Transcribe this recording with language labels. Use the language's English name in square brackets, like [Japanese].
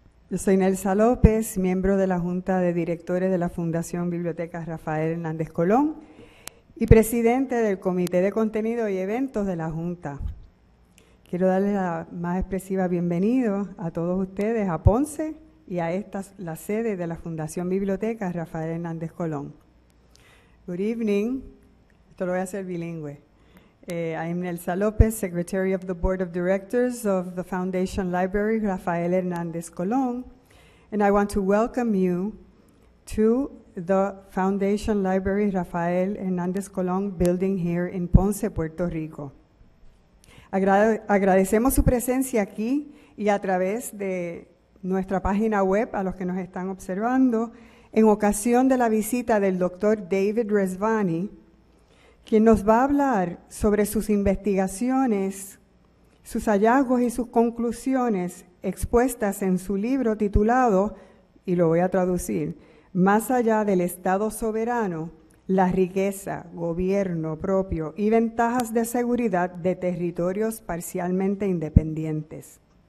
[Spanish] Yo soy Nelsa López, miembro de la Junta de Directores de la Fundación Biblioteca Rafael Hernández Colón y presidente del Comité de Contenido y Eventos de la Junta. Quiero darle la más expresiva bienvenida a todos ustedes, a Ponce y a esta, la sede de la Fundación Biblioteca Rafael Hernández Colón. [English] Good evening. [Spanish] Esto lo voy a hacer bilingüe. [English] I'm Nelsa López, Secretary of the Board of Directors of the Foundation Library Rafael Hernández Colón, and I want to welcome you to the Foundation Library Rafael Hernández Colón building here in Ponce, Puerto Rico. [Spanish] Agradecemos su presencia aquí y a través de nuestra página web a los que nos están observando en ocasión de la visita del Dr. David Rezvani, quien nos va a hablar sobre sus investigaciones, sus hallazgos y sus conclusiones expuestas en su libro titulado, y lo voy a traducir, Más allá del Estado soberano, la riqueza, gobierno propio y ventajas de seguridad de territorios parcialmente independientes.